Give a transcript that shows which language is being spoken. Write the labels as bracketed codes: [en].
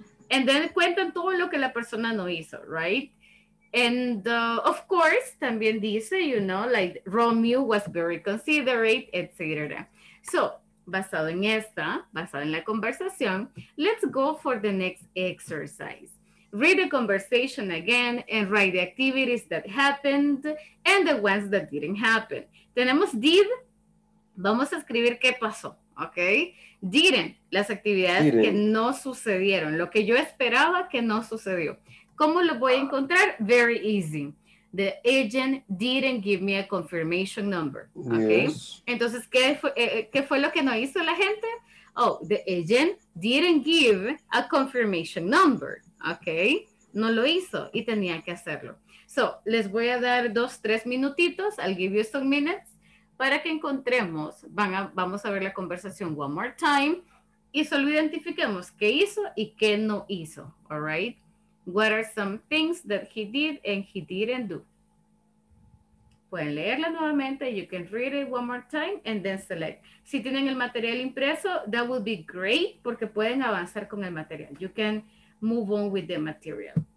[en] And then [es] cuentan todo lo que la persona no hizo, [en] right? And of course, [es] también dice, [en] you know, like Romeo was very considerate, etc. [es] So, basado en esta, basado en la conversación, [en] let's go for the next exercise. Read the conversation again and write the activities that happened and the ones that didn't happen. [es] Tenemos did, vamos a escribir qué pasó, ¿ok? Didn't, las actividades didn't. Que no sucedieron, lo que yo esperaba que no sucedió. ¿Cómo lo voy a encontrar? [en] Very easy. The agent didn't give me a confirmation number. Okay? Yes. [es] Entonces, ¿qué fue lo que no hizo la gente? [en] Oh, the agent didn't give a confirmation number. [es] Okay? No lo hizo y tenía que hacerlo. So, les voy a dar 2-3 minutitos. [en] I'll give you some minutes [es] para que encontremos. Vamos a ver la conversación [en] one more time. [es] Y solo identifiquemos qué hizo y qué no hizo. [en] All right? What are some things that he did and he didn't do? [es] Pueden leerla nuevamente. [en] You can read it one more time and then select. [es] Si tienen el material impreso, [en] that would be great [es] porque pueden avanzar con el material. [en] You can move on with the material.